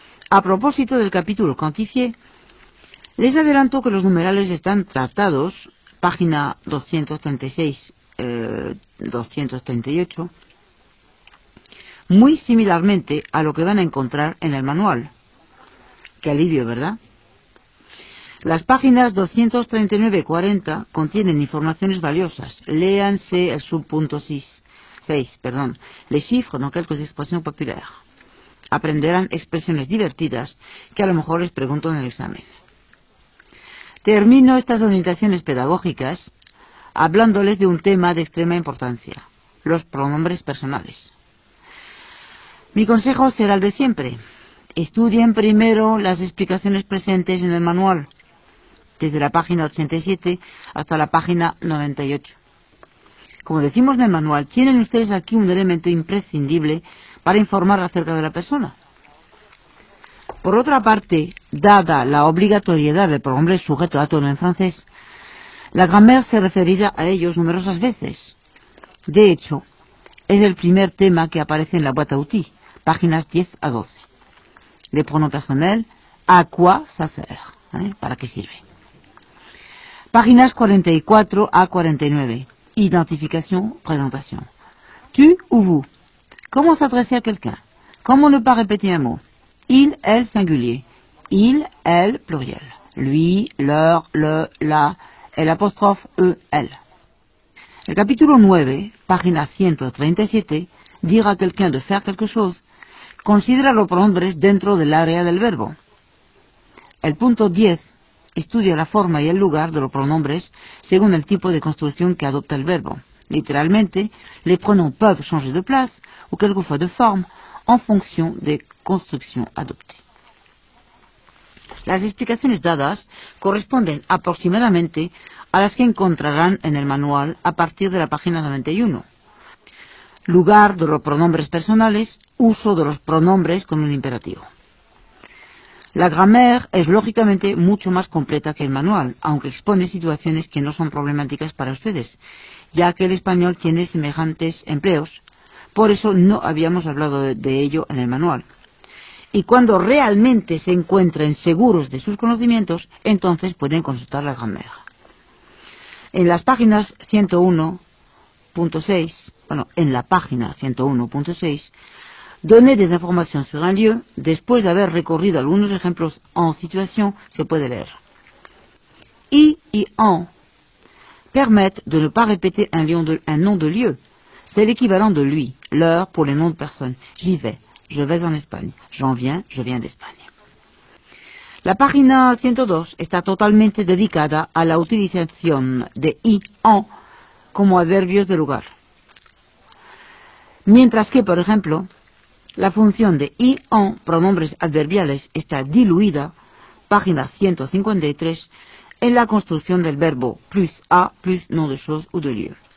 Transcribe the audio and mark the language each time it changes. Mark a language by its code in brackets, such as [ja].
[es] A propósito del capítulo quantifier, les adelanto que los numerales están tratados, página 236-238, muy similarmente a lo que van a encontrar en el manual. ¡Qué alivio, ¿verdad? Las páginas 239-40 contienen informaciones valiosas. Léanse el subpunto 6, [fr] les chiffres dans quelques expressions populaires. [es] Aprenderán expresiones divertidas que a lo mejor les pregunto en el examen. Termino estas orientaciones pedagógicas hablándoles de un tema de extrema importancia, los pronombres personales. Mi consejo será el de siempre. Estudien primero las explicaciones presentes en el manual, desde la página 87 hasta la página 98. Como decimos en el manual, tienen ustedes aquí un elemento imprescindible para informar acerca de la persona. Por otra parte, dada la obligatoriedad del pronombre sujeto a tono en francés, la grammaire se referirá a ellos numerosas veces. De hecho, es el primer tema que aparece en la [fr] boîte à outils, [es] páginas 10 a 12. [fr] Le pronom personnel, à quoi ça sert, [es] ¿para qué sirve? Páginas 44 a 49, identificación, presentación. [fr] Tu ou vous, comment s'adresser à quelqu'un? Comment ne pas répéter un mot? Il, elle, singulier. Il, elle, pluriel. Lui, leur, le, la, elle, apostrophe, e, elle. [es] El capítulo 9, página 137, [fr] dire à quelqu'un de faire quelque chose, [es] considera los pronombres dentro del área del verbo. El punto 10 estudia la forma y el lugar de los pronombres según el tipo de construcción que adopta el verbo. Literalmente, [fr] les pronoms peuvent changer de place ou quelquefois de forme en fonction des constructions adoptées. [es] Las explicaciones dadas corresponden aproximadamente a las que encontrarán en el manual a partir de la página 91. Lugar de los pronombres personales, uso de los pronombres con un imperativo. La grammaire es lógicamente mucho más completa que el manual, aunque expone situaciones que no son problemáticas para ustedes, ya que el español tiene semejantes empleos, por eso no habíamos hablado de ello en el manual. Y cuando realmente se encuentren seguros de sus conocimientos, entonces pueden consultar la grammaire. En las páginas 101.6, en la página 101.6, [fr] donner des informations sur un lieu, [es] después de haber recorrido algunos ejemplos en situación, se puede leer. [fr] I y en permettent de ne pas répéter un nom de lieu. C'est l'équivalent de lui, leur, pour les noms de personnes. J'y vais, je vais en Espagne. J'en viens, je viens d'Espagne. [es] La página 102 está totalmente dedicada a la utilización de y, en, como adverbios de lugar. Mientras que, por ejemplo, la función de y, en, pronombres adverbiales, está diluida, página 153, en la construcción del verbo [fr] plus a, plus nom de chose ou de lieu.